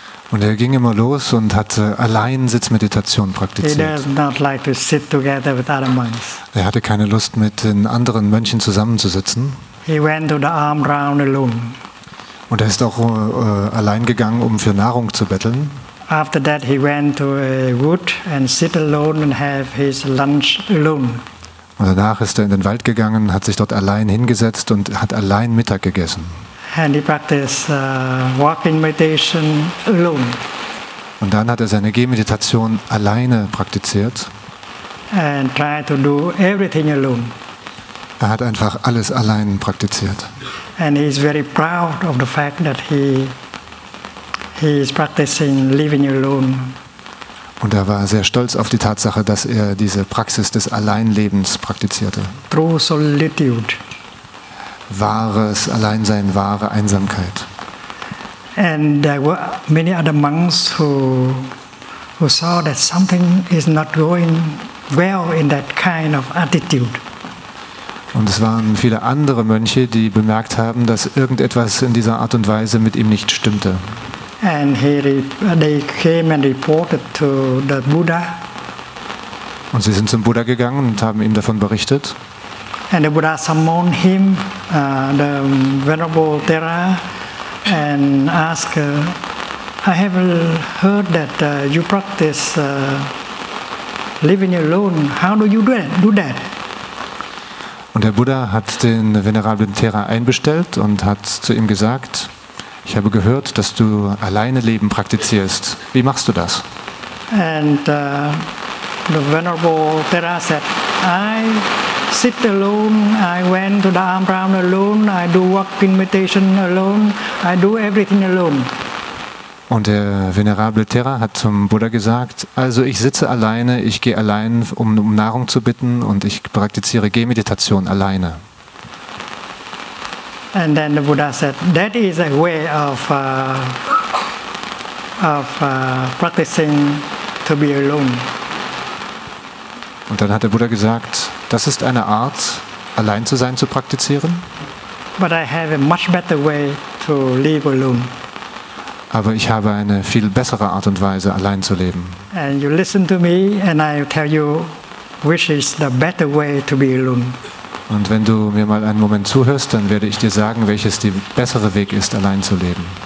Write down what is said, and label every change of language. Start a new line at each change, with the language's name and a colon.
German: Und er ging immer los und hat allein Sitzmeditation praktiziert.
English: He does not like to sit together with other monks.
German: Er hatte keine Lust, mit den anderen Mönchen zusammenzusitzen.
English: He went to the arm round alone.
German: Und er ist auch allein gegangen, um für Nahrung zu betteln.
English: After that he went to a wood and sit alone and have his lunch alone.
German: Und danach ist er in den Wald gegangen, hat sich dort allein hingesetzt und hat allein Mittag gegessen.
English: And he practiced walking meditation alone.
German: Und dann hat er seine Gehmeditation alleine praktiziert.
English: And tried to do everything alone.
German: Er hat einfach alles allein praktiziert.
English: And he is very proud of the fact that he is practicing living alone.
German: Und er war sehr stolz auf die Tatsache, dass er diese Praxis des Alleinlebens praktizierte.
English: True solitude.
German: Wahres Alleinsein, wahre Einsamkeit.
English: And there were many other monks who saw that something is not going well in that kind of attitude.
German: Und es waren viele andere Mönche, die bemerkt haben, dass irgendetwas in dieser Art und Weise mit ihm nicht stimmte.
English: And they came and reported to the Buddha.
German: Und sie sind zum Buddha gegangen und haben ihm davon berichtet.
English: And the Buddha summoned him, the Venerable Thera, and asked, I have heard that you practice living alone. How do you do that?
German: Und der Buddha hat den venerablen Thera einbestellt und hat zu ihm gesagt, ich habe gehört, dass du alleine Leben praktizierst. Wie machst du das?
English: And the venerable Thera said, I sit alone, I went to the ashram alone, I do walking meditation alone, I do everything alone.
German: Und der venerable Thera hat zum Buddha gesagt, also ich sitze alleine, ich gehe allein, um Nahrung zu bitten und ich praktiziere Gehmeditation alleine.
English: And then the Buddha said, that is a way of practicing to be alone.
German: Und dann hat der Buddha gesagt, das ist eine Art, allein zu sein, zu praktizieren.
English: But I have a much better way to live alone.
German: Aber ich habe eine viel bessere Art und Weise, allein zu leben.
English: And you listen to me and I tell you which is the better way to be alone.
German: Und wenn du mir mal einen Moment zuhörst, dann werde ich dir sagen, welches der bessere Weg ist, allein zu leben.